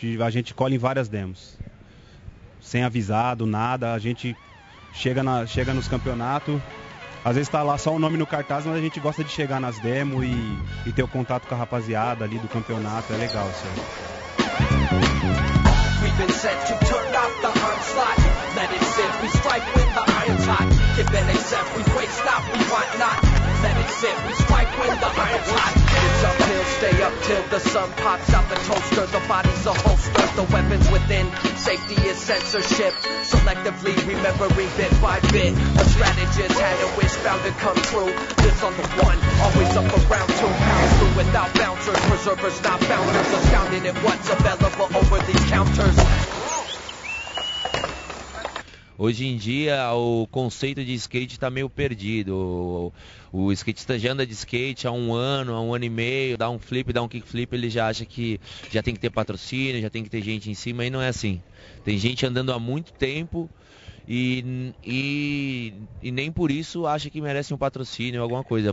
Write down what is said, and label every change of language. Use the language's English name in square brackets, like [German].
[Portuguese] A gente cola em várias demos, sem avisado, nada. A gente chega nos campeonatos, às vezes está lá só o nome no cartaz, mas a gente gosta de chegar nas demos e ter o contato com a rapaziada ali do campeonato, é legal, isso aí. [English] We've been sent to turn off the onslaught. Let it sip, we strike with the iron hot. Give an accept, we waste not, we want not. Let it sip, we strike with the iron hot. It's uphill, stay up till the sun pops out the toaster. The body's a holster, the weapons within. Safety is censorship. Selectively remembering bit by bit. A strategist had a wish bound to come true. This on the one, always up around two. Pound through without bouncers. Preservers, not founders. Astounding at what's available over these counters. [Portuguese] Hoje em dia, o conceito de skate está meio perdido. O skatista já anda de skate há um ano, há um ano e meio, dá um flip, dá um kickflip, ele já acha que já tem que ter patrocínio, já tem que ter gente em cima, e não é assim. Tem gente andando há muito tempo e nem por isso acha que merece um patrocínio ou alguma coisa.